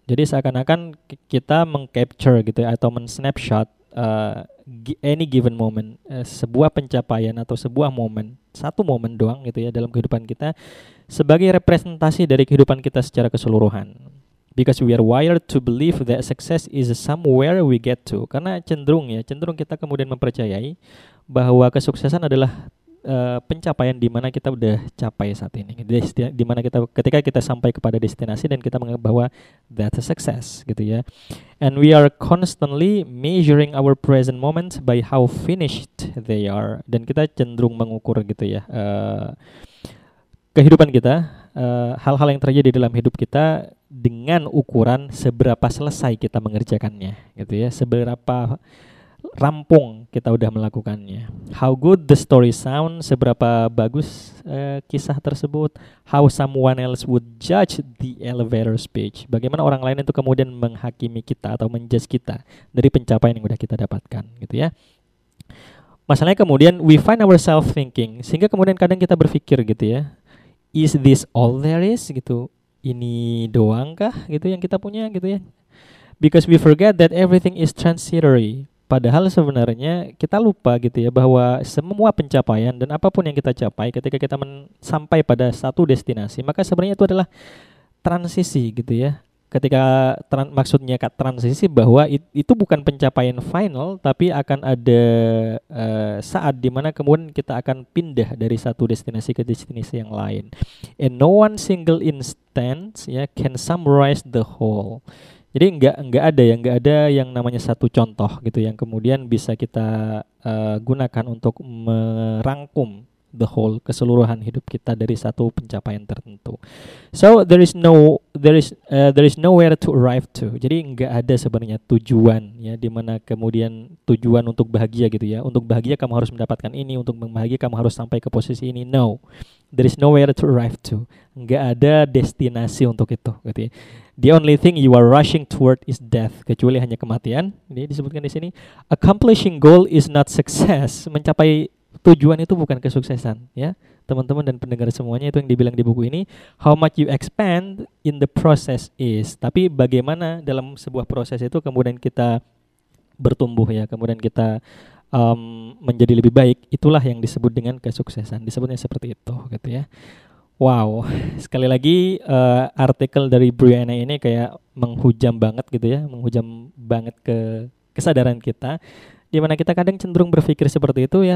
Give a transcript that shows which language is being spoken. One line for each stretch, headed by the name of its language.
Indonesian: Jadi seakan-akan kita mengcapture gitu ya, atau men-snapshot any given moment, sebuah pencapaian atau sebuah momen, satu momen doang gitu ya dalam kehidupan kita, sebagai representasi dari kehidupan kita secara keseluruhan.
English: Because we are wired to believe that success is somewhere we get to.
Indonesian: Karena cenderung ya, cenderung kita kemudian mempercayai bahwa kesuksesan adalah pencapaian di mana kita udah capai saat ini. Di mana kita, ketika kita sampai kepada destinasi dan kita menganggap bahwa
English: that's a success
Indonesian: gitu ya.
English: And we are constantly measuring our present moment by how finished they are.
Indonesian: Dan kita cenderung mengukur gitu ya kehidupan kita, hal-hal yang terjadi dalam hidup kita dengan ukuran seberapa selesai kita mengerjakannya gitu ya, seberapa rampung kita udah melakukannya.
English: How good the story sounds,
Indonesian: seberapa bagus kisah tersebut.
English: How someone else would judge the elevator speech,
Indonesian: bagaimana orang lain itu kemudian menghakimi kita atau menjudge kita dari pencapaian yang udah kita dapatkan gitu ya. Masalahnya kemudian
English: we find ourselves thinking,
Indonesian: sehingga kemudian kadang kita berpikir gitu ya,
English: is this all there is
Indonesian: gitu, ini doang kah gitu yang kita punya gitu ya.
English: Because we forget that everything is transitory.
Indonesian: Padahal sebenarnya kita lupa gitu ya bahwa semua pencapaian dan apapun yang kita capai ketika kita sampai pada satu destinasi, maka sebenarnya itu adalah transisi gitu ya. Ketika maksudnya transisi bahwa itu bukan pencapaian final, tapi akan ada saat di mana kemudian kita akan pindah dari satu destinasi ke destinasi yang lain.
English: And no one single instance ya can summarize the whole.
Indonesian: Jadi enggak ada yang namanya satu contoh gitu yang kemudian bisa kita gunakan untuk merangkum
English: the whole,
Indonesian: keseluruhan hidup kita dari satu pencapaian tertentu.
English: So there is nowhere to arrive to.
Indonesian: Jadi enggak ada sebenarnya tujuan ya, di mana kemudian tujuan untuk bahagia gitu ya. Untuk bahagia kamu harus mendapatkan ini, untuk bahagia kamu harus sampai ke posisi ini.
English: No. There is nowhere to arrive to.
Indonesian: Enggak ada destinasi untuk itu gitu ya.
English: The only thing you are rushing toward is death.
Indonesian: Kecuali hanya kematian. Ini disebutkan di sini.
English: Accomplishing goal is not success.
Indonesian: Mencapai tujuan itu bukan kesuksesan, ya. Teman-teman dan pendengar semuanya, itu yang dibilang di buku ini.
English: How much you expand in the process is.
Indonesian: Tapi bagaimana dalam sebuah proses itu kemudian kita bertumbuh ya, kemudian kita menjadi lebih baik, itulah yang disebut dengan kesuksesan. Disebutnya seperti itu, gitu ya. Wow, sekali lagi artikel dari Brianna ini kayak menghujam banget gitu ya, menghujam banget ke kesadaran kita, di mana kita kadang cenderung berpikir seperti itu ya.